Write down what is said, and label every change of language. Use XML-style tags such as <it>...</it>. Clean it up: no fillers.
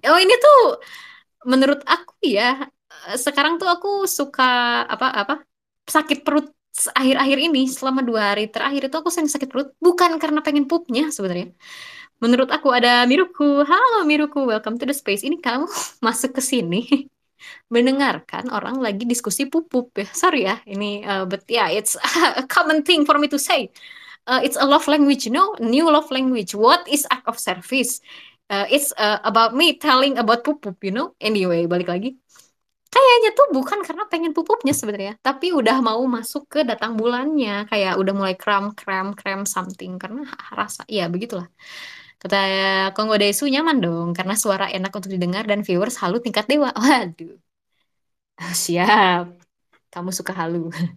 <id>Oh, ini tuh menurut aku ya, sekarang tuh aku suka apa-apa sakit perut akhir-akhir ini, selama 2 hari terakhir itu aku sering sakit perut, bukan karena pengen pupnya sebenarnya. Menurut aku ada Miruku. Halo Miruku,</id> <en>welcome to the space.</en> <id>Ini kamu masuk ke sini mendengarkan orang lagi diskusi pup-pup ya.</id> <en>Sorry</en> <id>ya, ini</id> <en>but yeah, it's a common thing for me to say. It's a love language, you know, new love language. What is act of service? It's about me telling about pup-pup, you know.</en> <id>Anyway, balik lagi. Kayaknya tuh bukan karena pengen pupupnya sebenarnya, tapi udah mau masuk ke datang bulannya, kayak udah mulai kram kram kram something karena rasa, ya begitulah. Kata Kongo Desu, nyaman dong karena suara enak untuk didengar dan viewers halu tingkat dewa. Waduh. Oh, siap. Kamu suka halu.</id>